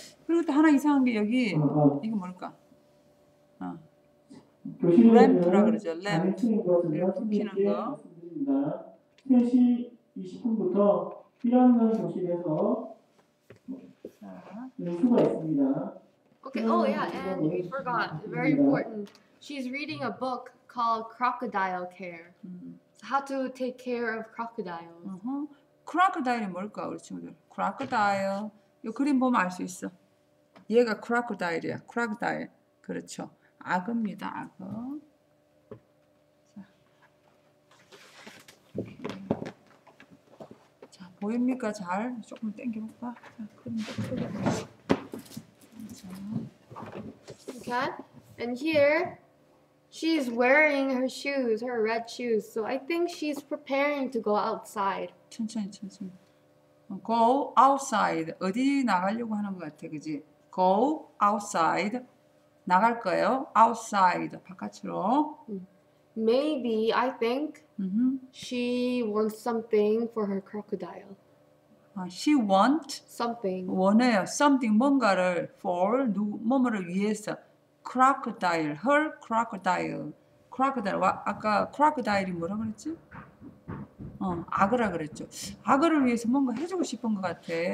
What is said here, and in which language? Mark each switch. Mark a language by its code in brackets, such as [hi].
[ko] 그리고 또 하나 이상한 게 여기 이거 뭘까? 램프라 그러죠, 램프. 이렇게 피는 거. 3시 20분부터 필요한 교실에서 수가 있습니다. [en] Okay, oh yeah, and we forgot, very important. She's reading a book called Crocodile Care. How to take care of crocodiles. [ko] Crocodile이 뭘까 우리 친구들? Crocodile. 이 그림 보면 알 수 있어. 얘가 crocodile이야. Crocodile. 그렇죠. 악어입니다. 악어. 자. 자, 보입니까? 잘? 조금 당겨볼까? 자, 그림 좀 풀어볼까? [en] Okay. And here. She's wearing her shoes, her red shoes. So I think she's preparing to go outside. [ko] 천천히, 천천히. [en] go outside. [ko] 어디 나가려고 하는 것 같아, 그지? [en] Go outside. [ko] 나갈 거예요. Outside. 바깥으로. [en] Maybe I think she wants something for her crocodile. She want, Something. [ko] 원해요. Something, 뭔가를 for, 누구, 뭐뭐를 위해서. [en] Crocodile, her crocodile. [ko] Crocodile, 아까 crocodile이 뭐라 그랬지? 악어라 그랬죠. 악어를 위해서 뭔가 해주고 싶은 것 같아.